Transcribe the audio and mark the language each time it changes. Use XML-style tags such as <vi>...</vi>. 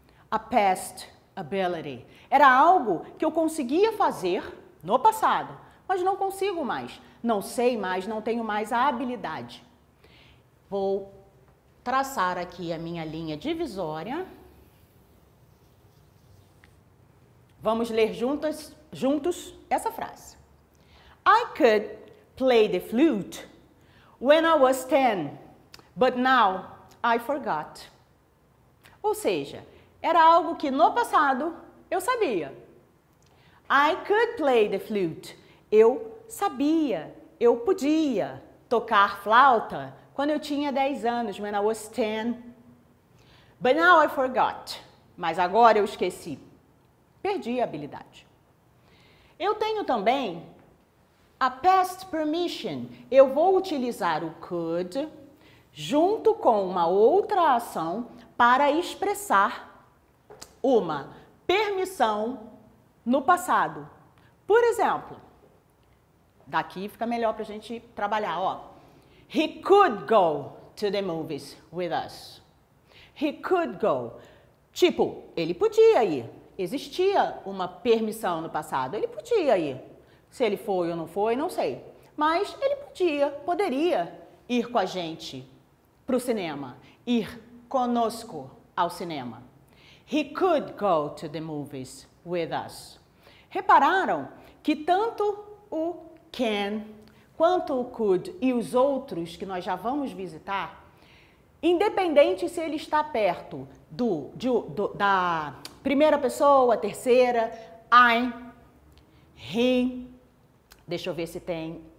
<en>A past ability.</en> <pt>Era algo que eu conseguia fazer no passado, mas não consigo mais. Não sei mais, não tenho mais a habilidade. Vou traçar aqui a minha linha divisória. Vamos ler juntos essa frase.</pt> <en>I could play the flute when I was 10, but now I forgot.</en> <pt>Ou seja, era algo que no passado eu sabia.</pt> <en>I could play the flute.</en> <pt>Eu sabia, eu podia tocar flauta quando eu tinha 10 anos,</pt> <en>when I was 10. But now I forgot.</en> <pt>Mas agora eu esqueci. Perdi a habilidade. Eu tenho também a past permission. Eu vou utilizar o could junto com uma outra ação para expressar uma permissão no passado. Por exemplo, daqui fica melhor para a gente trabalhar, ó.</pt> <en>He could go to the movies with us. He could go.</en> <pt>Tipo, ele podia ir. Existia uma permissão no passado. Ele podia ir. Se ele foi ou não foi, não sei. Mas ele podia, poderia ir com a gente para o cinema. Ir conosco ao cinema.</pt> <en>He could go to the movies with us.</en> <pt>Repararam que tanto o can, quanto o could e os outros que nós já vamos visitar, independente se ele está perto da primeira pessoa, terceira, I'm, he, deixa eu ver se tem</pt>